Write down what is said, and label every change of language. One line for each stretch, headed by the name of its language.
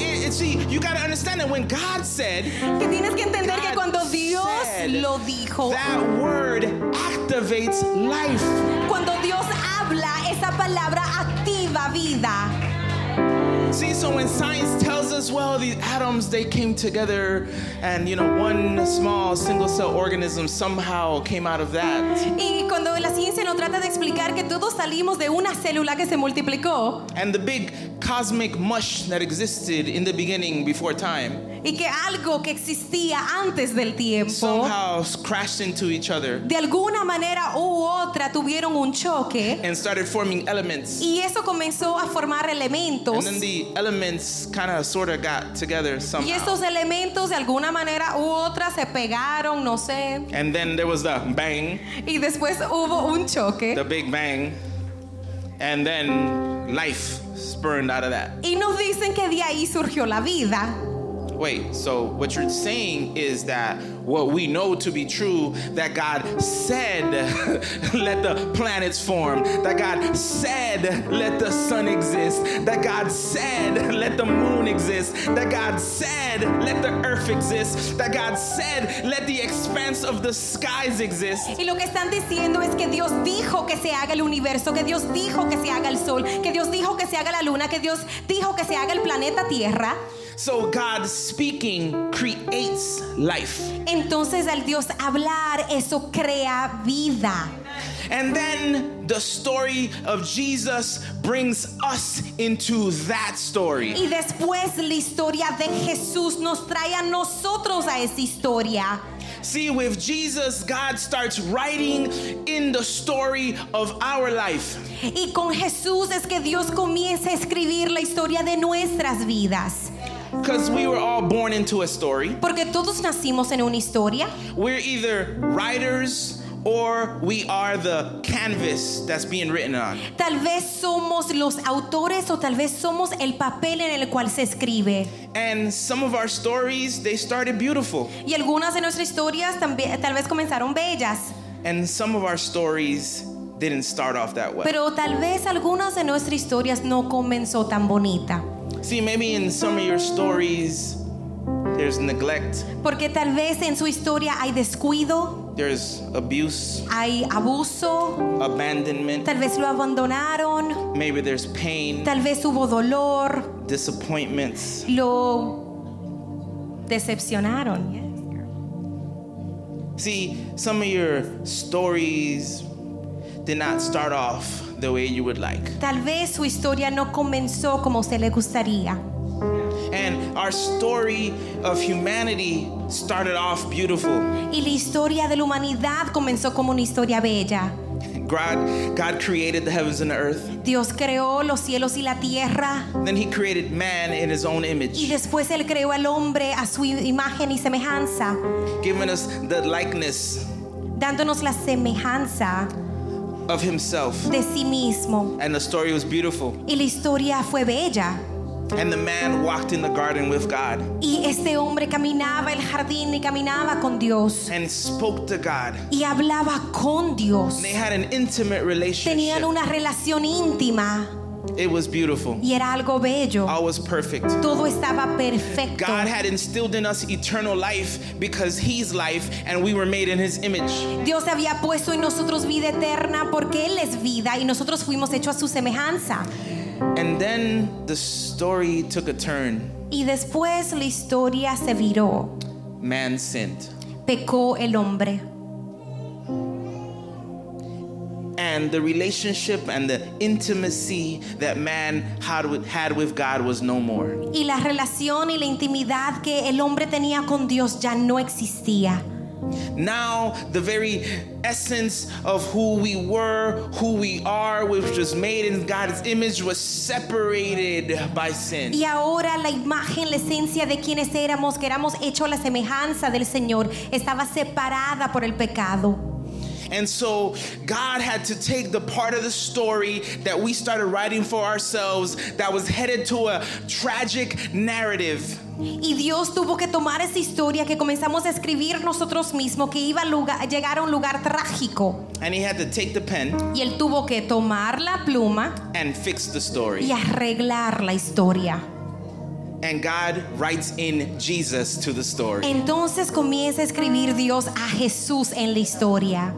English: See, you got to understand that when God said,
Spanish: que tienes que entender God que cuando Dios lo dijo,
English: that word activates life.
Spanish: Cuando Dios habla, esa palabra activa vida.
English: See, so when science tells us, well, these atoms, they came together and, you know, one small single-cell organism somehow came out of that.
Spanish: Y cuando la ciencia nos trata de explicar que todos salimos de una célula que se multiplicó.
English: And the big cosmic mush that existed in the beginning before time.
Spanish: Y que algo que existía antes del tiempo.
English: Somehow crashed into each other.
Spanish: De alguna manera u otra tuvieron un choque.
English: And started forming elements.
Spanish: Y eso comenzó a formar elementos.
English: And then the elements kind of sort of got together somehow.
Spanish: Y esos elementos de alguna manera u otra se pegaron, no sé.
English: And then there was the bang.
Spanish: Y después hubo un choque.
English: The big bang. And then life spurned out of that.
Spanish: Y nos dicen que de ahí surgió la vida.
English: Wait, so what you're saying is that what we know to be true, that God said, let the planets form, that God said, let the sun exist, that God said, let the moon exist, that God said, let the earth exist, that God said, let the expanse of the skies exist.
Spanish: Y lo que están diciendo es que Dios dijo que se haga el universo, que Dios dijo que se haga el sol, que Dios dijo que se haga la luna, que Dios dijo que se haga el planeta Tierra.
English: So God speaking creates life.
Spanish: Entonces al Dios hablar, eso crea vida.
English: And then the story of Jesus brings us into that story.
Spanish: Y después la historia de Jesús nos trae a nosotros a esa historia.
English: See, with Jesus, God starts writing in the story of our life.
Spanish: Y con Jesús es que Dios comienza a escribir la historia de nuestras vidas.
English: Because we were all born into a story.
Spanish: Porque todos nacimos en una historia.
English: We're either writers or we are the canvas that's being written on.
Spanish: Tal vez somos los autores o tal vez somos el papel en el cual se escribe.
English: And some of our stories, they started beautiful.
Spanish: Y algunas de nuestras historias también tal vez comenzaron bellas.
English: And some of our stories didn't start off that way.
Spanish: Pero tal vez algunas de nuestras historias no comenzó tan bonita.
English: See, maybe in some of your stories, there's neglect.
Spanish: Porque tal vez en su historia hay descuido.
English: There's abuse.
Spanish: Hay abuso.
English: Abandonment.
Spanish: Tal vez lo abandonaron.
English: Maybe there's pain.
Spanish: Tal vez hubo dolor.
English: Disappointments.
Spanish: Lo decepcionaron.
English: See, some of your stories did not start off the way you would like.
Spanish: Tal vez su historia no comenzó como se le gustaría.
English: And our story of humanity started off beautiful.
Spanish: Y la historia de la humanidad comenzó como una historia bella.
English: God created the heavens and the earth.
Spanish: Dios creó los cielos y la tierra.
English: Then he created man in his own image.
Spanish: Y después él creó al hombre a su imagen y semejanza.
English: Giving us the likeness.
Spanish: Dándonos la semejanza.
English: Of himself.
Spanish: De sí mismo.
English: And the story was beautiful.
Spanish: Y la historia fue bella.
English: And the man walked in the garden with God.
Spanish: Y este hombre caminaba el jardín y caminaba con Dios.
English: And spoke to God.
Spanish: Y hablaba con Dios.
English: And they had an intimate relationship.
Spanish: Tenían una relación íntima.
English: It was beautiful.
Spanish: Y era algo bello.
English: All was perfect.
Spanish: Todo estaba perfecto.
English: God had instilled in us eternal life because He's life, and we were made in His image.
Spanish: Dios había puesto en nosotros vida eterna porque Él es vida y nosotros fuimos hechos a su semejanza.
English: And then the story took a turn.
Spanish: Y después la historia se viró.
English: Man sinned.
Spanish: Pecó el hombre.
English: And the relationship and the intimacy that man had with God was no more.
Spanish: Y la relación y la intimidad que el hombre tenía con Dios ya no existía.
English: Now the very essence of who we were, who we are, which was made in God's image, was separated by sin.
Spanish: Y ahora la imagen, la esencia de quienes éramos, que éramos hechos a la semejanza del Señor, estaba separada por el pecado.
English: And so God had to take the part of the story that we started writing for ourselves that was headed to a tragic narrative.
Spanish: Y Dios tuvo que tomar esa historia que comenzamos a escribir nosotros mismos que iba a llegar a un lugar trágico.
English: And he had to take the pen.
Spanish: Y él tuvo que tomar la pluma.
English: And fix the story.
Spanish: Y arreglar la historia.
English: And God writes in Jesus to the story.
Spanish: Entonces comienza a escribir Dios a Jesús en la historia.